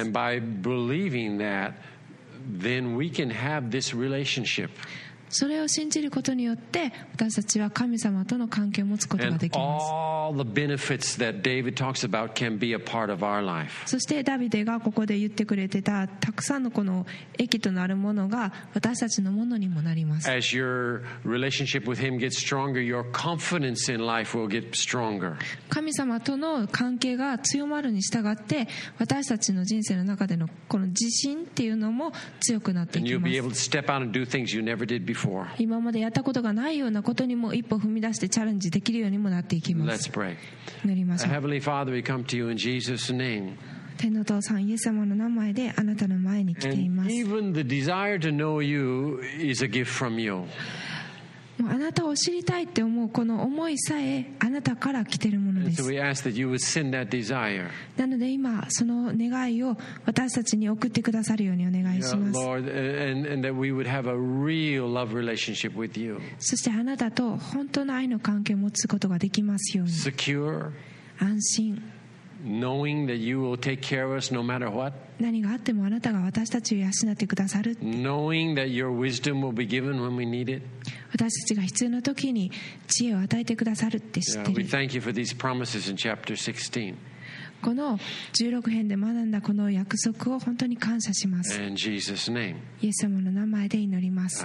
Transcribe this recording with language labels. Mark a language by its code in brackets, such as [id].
[en] And by believing that, then we can have this relationship. [ja] それを信じることによって私たちは神様との関係を持つことができます。 [en] All the benefits that David talks about can be a part of our life. [ja] そしてダビデがここで言ってくれてたたくさんのこの益となるものが私たちのものにもなります。 [en] As your relationship with him gets stronger, your confidence in life will get stronger. [ja] 神様との関係が強まるに従って私たちの人生の中でのこの自信っていうのも強くなっていきます。 [en] And you'll be able to step out and do things you never did. [ja] 今までやったことがないようなことにも一歩踏み出してチャレンジできるようにもなっていきます。 [en] Let's pray. [ja] 祈りましょう。 [en] Heavenly Father, we come to you in Jesus' name. [ja] 天の父さん、イエス様の名前であなたの前に来ています。 [en] And even the desire to know you is a gift from you. [ja] もうあなたを知りたいって思うこの思いさえあなたから来ているものです。 [en] And so we ask that you would send that desire. [ja] なので今その願いを私たちに送ってくださるようにお願いします。 [en] Lord, and that we would have a real love relationship with you. [ja] そしてあなたと本当の愛の関係を持つことができますように。 [en] Secure. [ja] 安心。 [en] Knowing that you will take care of us no matter what. [ja] 何があってもあなたが私たちを養ってくださる。 [en] Knowing that your wisdom will be given when we need it. [ja] 私たちが必要な時に知恵を与えてくださるって知ってる。 [en] We thank you for these promises in chapter 16. [ja] この16編で学んだこの約束を本当に感謝します。 [en] In Jesus' name. [ja] イエス様の名前で祈ります。